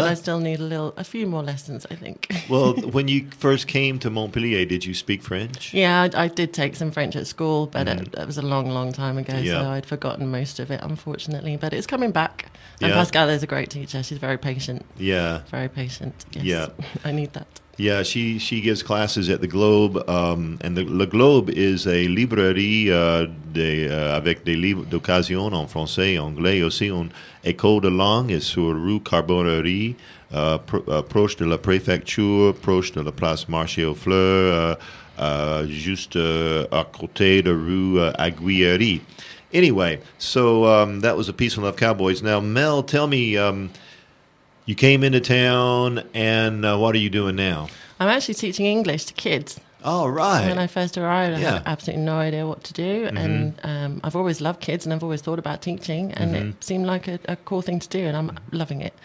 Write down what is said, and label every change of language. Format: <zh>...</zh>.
<en>But I still need a few more lessons, I think. Well, when you first came to Montpellier, did you speak French? Yeah, I did take some French at school, but it was a long, long time ago, yeah. So I'd forgotten most of it, unfortunately. But it's coming back, and yeah. Pascal is a great teacher. She's very patient. Yeah. Very patient, yes. Yeah. I need that. Yeah, she gives classes at the Globe, and the Le Globe is a</en> <fr>librairie avec des livres d'occasion en français et anglais aussi. Une école de langue est sur rue Carbonnerie, proche de la préfecture, proche de la place Marché aux Fleurs, juste à côté de rue Aguillerie.</fr> <en>Anyway, so that was a Peace and Love Cowboys. Now, Mel, tell me... you came into town, and what are you doing now? I'm actually teaching English to kids. Oh, right. When I first arrived, I had absolutely no idea what to do. Mm-hmm. And I've always loved kids, and I've always thought about teaching, and mm-hmm. it seemed like a cool thing to do, and I'm loving it.</en>